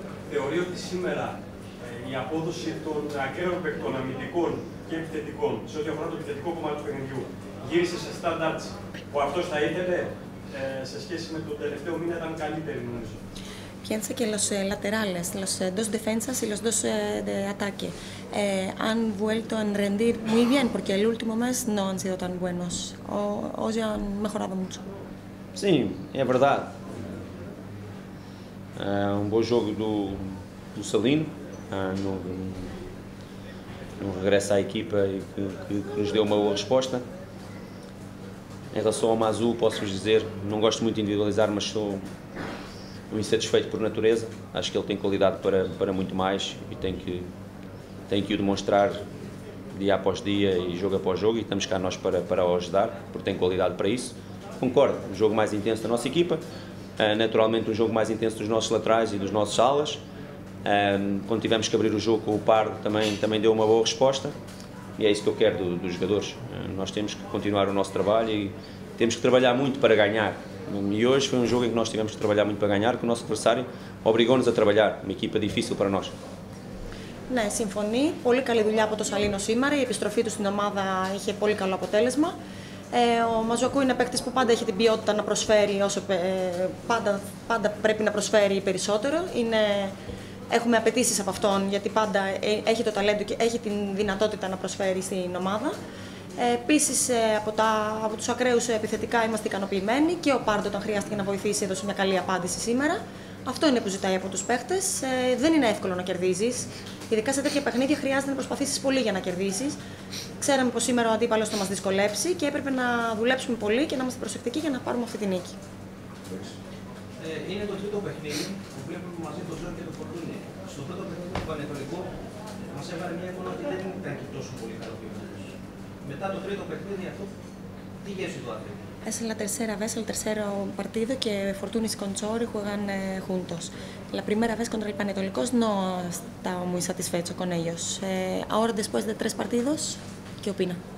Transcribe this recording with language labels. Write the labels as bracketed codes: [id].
[el] Θεωρεί ότι σήμερα η απόδοση των ακραίων παικτών, αμυντικών και επιθετικών, σε ό,τι αφορά το επιθετικό κομμάτι του παιχνιδιού, γύρισε σε στάνταρτ που αυτό θα ήθελε. Σε σχέση με τον τελευταίο μήνα ήταν καλύτερη, νομίζω. Πιάνεσα και [es] los laterales, los dos defensas y los dos de ataque. Han vuelto a rendir muy bien, porque el último mes no han sido tan buenos. Hoy han mejorado mucho. [pt] Sim, é verdade. É um bom jogo do Salino, no regresso à equipa e que nos deu uma boa resposta. Em relação ao Mazu, posso-vos dizer, não gosto muito de individualizar, mas sou um insatisfeito por natureza. Acho que ele tem qualidade para muito mais e tem que o demonstrar dia após dia e jogo após jogo, e estamos cá nós para o ajudar, porque tem qualidade para isso. Concordo, o jogo mais intenso da nossa equipa, naturalmente um jogo mais intenso dos nossos laterais e dos nossos alas. Quando tivemos que abrir o jogo com o Pardo, também deu uma boa resposta. E é isso que eu quero dos jogadores. Nós temos que continuar o nosso trabalho e temos que trabalhar muito para ganhar. E hoje foi um jogo em que nós tivemos que trabalhar muito para ganhar, que o nosso adversário obrigou-nos a trabalhar. Uma equipa difícil para nós. [el] Ναι, συμφωνεί. Πολύ καλή δουλειά από το Σαλίνο σήμερα. Η επιστροφή του στην ομάδα είχε πολύ καλό αποτέλεσμα. Ο Μαζουακού είναι παίκτης που πάντα έχει την ποιότητα να προσφέρει, πάντα πρέπει να προσφέρει περισσότερο. Έχουμε απαιτήσεις από αυτόν, γιατί πάντα έχει το ταλέντο και έχει την δυνατότητα να προσφέρει στην ομάδα. Επίσης, από τους ακραίους επιθετικά είμαστε ικανοποιημένοι και ο Πάρντο, όταν χρειάστηκε να βοηθήσει, έδωσε μια καλή απάντηση σήμερα. Αυτό είναι που ζητάει από τους παίχτες. Δεν είναι εύκολο να κερδίζεις. Ειδικά σε τέτοια παιχνίδια χρειάζεται να προσπαθήσεις πολύ για να κερδίσεις. Ξέραμε πως σήμερα ο αντίπαλος θα μας δυσκολέψει και έπρεπε να δουλέψουμε πολύ και να είμαστε προσεκτικοί για να πάρουμε αυτή τη νίκη. Είναι το τρίτο παιχνίδι που βλέπουμε μαζί το Ζόρι και το Φορτούνι. Στο πρώτο παιχνίδι του Πανετολικού μας έβαλε μια εικόνα ότι δεν ήταν και τόσο πολύ καλό ποιότητα. Μετά το τρίτο παιχνίδι αυτό, τι γεύση το άθλημα. [es] Es la tercera vez, el tercero partido que Fortunis con Chori juegan juntos. La primera vez contra el Panetolikos no estaba muy satisfecho con ellos. Ahora, después de 3 partidos, ¿qué opina?